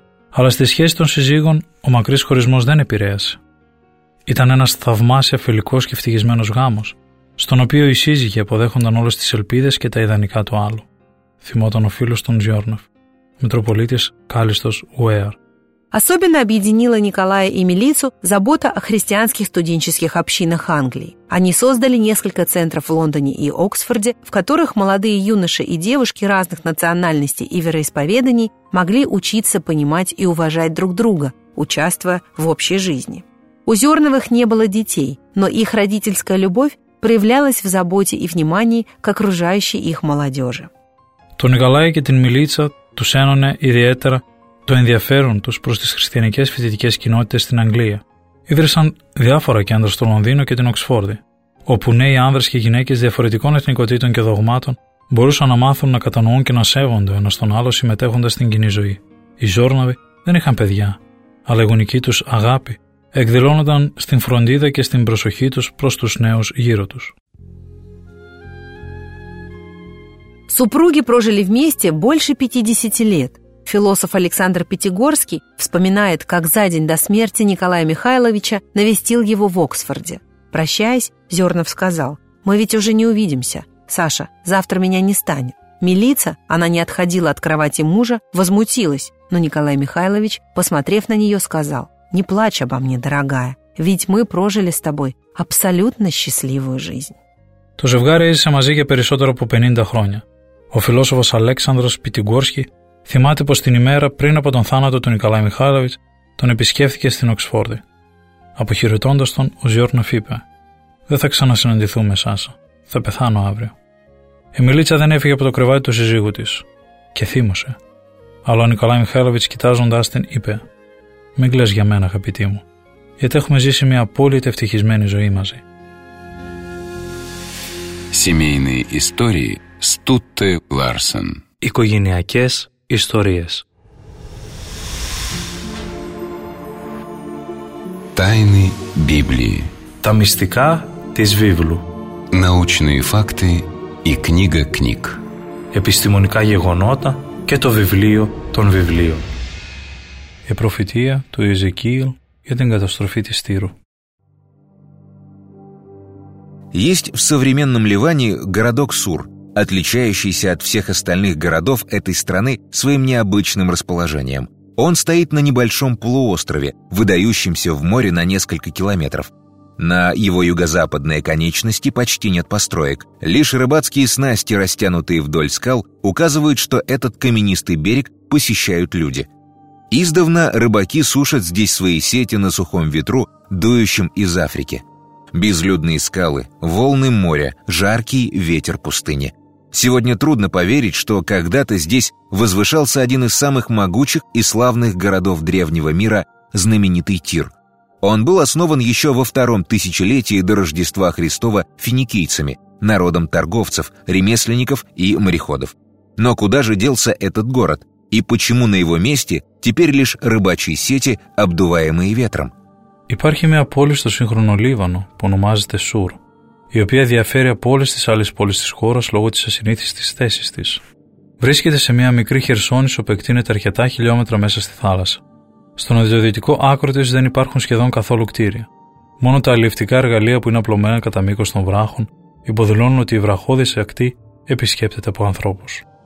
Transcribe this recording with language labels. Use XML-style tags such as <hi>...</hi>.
<el>Αλλά στη σχέση των συζύγων, ο μακρύς χωρισμός δεν επηρέασε. Ήταν ένας θαυμάσια φιλικός και ευτυχισμένος γάμος, στον οποίο οι σύζυγοι αποδέχονταν όλες τις ελπίδες και τα ιδανικά του άλλου, θυμόταν ο φίλος των Ζιόρνοφ.</el> <ru>Митрополитис Каллистос Уэр. Особенно объединила Николая и Милицу забота о христианских студенческих общинах Англии. Они создали несколько центров в Лондоне и Оксфорде, в которых молодые юноши и девушки разных национальностей и вероисповеданий могли учиться понимать и уважать друг друга, участвуя в общей жизни. У Зерновых не было детей, но их родительская любовь проявлялась в заботе и внимании к окружающей их молодежи.</ru> <el>То Николая и Милица τους ένωνε ιδιαίτερα το ενδιαφέρον τους προς τις χριστιανικές φοιτητικές κοινότητες στην Αγγλία. Ίδρυσαν διάφορα κέντρα στο Λονδίνο και την Οξφόρδη, όπου νέοι άνδρες και γυναίκες διαφορετικών εθνικοτήτων και δογμάτων μπορούσαν να μάθουν να κατανοούν και να σέβονται ο ένας τον άλλο συμμετέχοντας στην κοινή ζωή. Οι Ζιόρνοβοι δεν είχαν παιδιά, αλλά η γονική τους αγάπη εκδηλώνονταν στην φροντίδα και στην προσοχή τους προς τους νέους γύρω τους.</el> <ru>Супруги прожили вместе больше 50 лет. Философ Александр Пятигорский вспоминает, как за день до смерти Николая Михайловича навестил его в Оксфорде. Прощаясь, Зернов сказал: «Мы ведь уже не увидимся. Саша, завтра меня не станет». Милица, она не отходила от кровати мужа, возмутилась, но Николай Михайлович, посмотрев на нее, сказал: «Не плачь обо мне, дорогая, ведь мы прожили с тобой абсолютно счастливую жизнь».</ru> <el>Το ζευγάρι έζησε μαζί για περισσότερο από 50 χρόνια. Ο φιλόσοφος Αλέξανδρος Πιτιγκόρσκι θυμάται πως την ημέρα πριν από τον θάνατο του Νικολάη Μιχάλοβιτς τον επισκέφθηκε στην Οξφόρδη. Αποχαιρετώντας τον, ο Ζιόρνοφ είπε: «Δεν θα ξανασυναντηθούμε, Σάσα. Θα πεθάνω αύριο». Η Μιλίτσα δεν έφυγε από το κρεβάτι του σύζυγου της και θύμωσε. Αλλά ο Νικολάη Μιχάλοβιτς, κοιτάζοντάς την, είπε: «Μην κλαις για μένα, αγαπητή μου, γιατί έχουμε ζήσει μια απόλυτα ευτυχισμένη ζωή μαζί».</el> <ru>Семейные истории Стутте Ларсен.</ru> <el>Οικογενειακές ιστορίες.</el> <ru>Тайны Библии.</ru> <el>Τα μυστικά της Βίβλου.</el> <ru>Научные факты и книга книг.</ru> <el>Επιστημονικά γεγονότα και το βιβλίο των βιβλίων. Η προφητεία του Εζεκίηλ για την καταστροφή της Τύρου.</el> <ru>Есть в современном Ливане городок Сур, отличающийся от всех остальных городов этой страны своим необычным расположением. Он стоит на небольшом полуострове, выдающемся в море на несколько километров. На его юго-западной конечности почти нет построек. Лишь рыбацкие снасти, растянутые вдоль скал, указывают, что этот каменистый берег посещают люди. Издавна рыбаки сушат здесь свои сети на сухом ветру, дующем из Африки. Безлюдные скалы, волны моря, жаркий ветер пустыни. Сегодня трудно поверить, что когда-то здесь возвышался один из самых могучих и славных городов древнего мира, знаменитый Тир. Он был основан еще во втором тысячелетии до Рождества Христова финикийцами, народом торговцев, ремесленников и мореходов. Но куда же делся этот город? И почему на его месте теперь лишь рыбачьи сети, обдуваемые ветром?</ru> <el>Υπάρχει μια πόλη στο σύγχρονο Λίβανο που ονομάζεται Σουρ, η οποία διαφέρει από όλες τις άλλες πόλεις της χώρας λόγω της ασυνήθιστης θέσης της. Βρίσκεται σε μια μικρή χερσόνησο που εκτείνεται αρκετά χιλιόμετρα μέσα στη θάλασσα. Στον αδειοδυτικό άκρο της δεν υπάρχουν σχεδόν καθόλου κτίρια. Μόνο τα αλιευτικά εργαλεία που είναι απλωμένα κατά μήκος των βράχων υποδηλώνουν ότι η βραχώδης ακτή επισκέπτεται από ανθρώπους.</el>